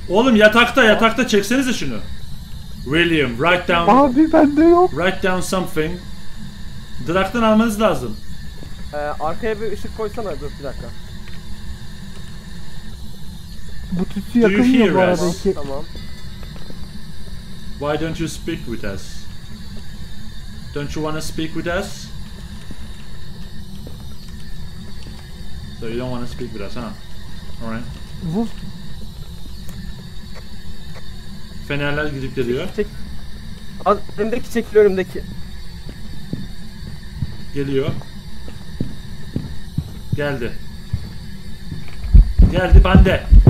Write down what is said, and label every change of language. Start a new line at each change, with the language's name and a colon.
Turkish: Oğlum yatakta çeksenize şunu.
English: William write down.
Turkish: Abi bende yok.
English: Write down something.
Turkish: Drak'tan almanız lazım. Arkaya bir ışık koysana dur bir dakika. Bu tütsü yakınmıyor bu arada. Tamam.
English: Why don't you speak with us? Don't you wanna speak with us? So you don't wanna speak with us, huh? Alright. Wolf.
Turkish: Fenerler gidip geliyor. Önümdeki çekiliyor, önümdeki. Geliyor. Geldi. Geldi bende.